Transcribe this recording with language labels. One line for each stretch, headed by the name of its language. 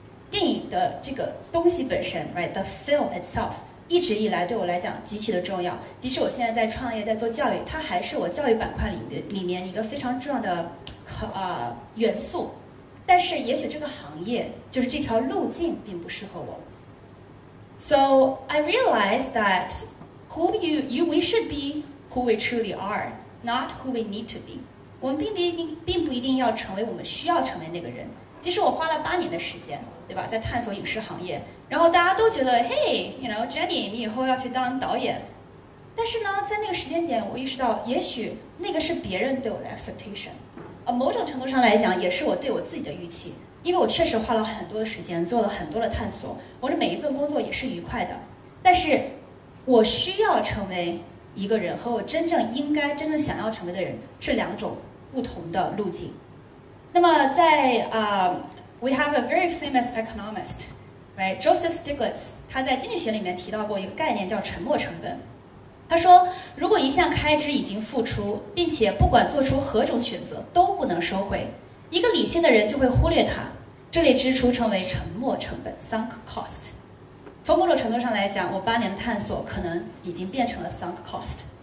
Chinese: 电影的这个东西本身
English: right, The film itself
Chinese: 一直以来对我来讲极其的重要，即使我现在在创业在做教育，它还是我教育板块里面一个非常重要的元素。但是也许这个行业就是这条路径并不适合我。
English: So I realized that we should be who we truly are, not who we need to be.
Chinese: 我们并不一定要成为我们需要成为那个人。其实我花了8年的时间，对吧，在探索影视行业，然后大家都觉得
English: Hey, you know,
Chinese: Jenny, 你以后要去当导演。但是呢，在那个时间点我意识到，也许那个是别人对我的 expectation, 某种程度上来讲也是我对我自己的预期。因为我确实花了很多的时间，做了很多的探索，我的每一份工作也是愉快的，但是我需要成为一个人和我真正应该真正想要成为的人是两种不同的路径。那么在
English: we have a very famous economist, right?
Chinese: Joseph Stiglitz, 他在经济学里面提到过一个概念叫沉没成本。他说，如果一项开支已经付出，并且不管做出何种选择都不能收回，一个理性的人就会忽略它。这类支出称为沉没成本 sunk cost。从某种程度上来讲，我8年的探索可能已经变成了 sunk cost。